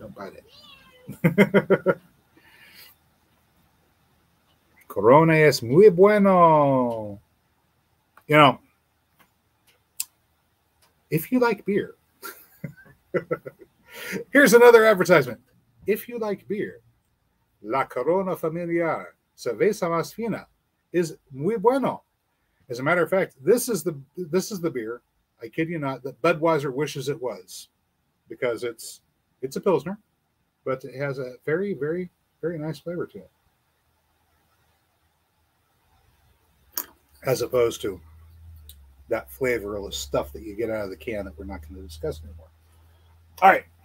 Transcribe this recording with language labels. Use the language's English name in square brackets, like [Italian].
[English] Don't bite it. [Spanish] Corona es muy bueno. [English] You know, if you like beer, here's another advertisement. If you like beer, La Corona Familiar, Cerveza Más Fina, is [Spanish] muy bueno. [English] As a matter of fact, this is the beer, I kid you not, that Budweiser wishes it was, because it's a Pilsner, but it has a very, very, very nice flavor to it. As opposed to that flavorless stuff that you get out of the can that we're not going to discuss anymore. All right.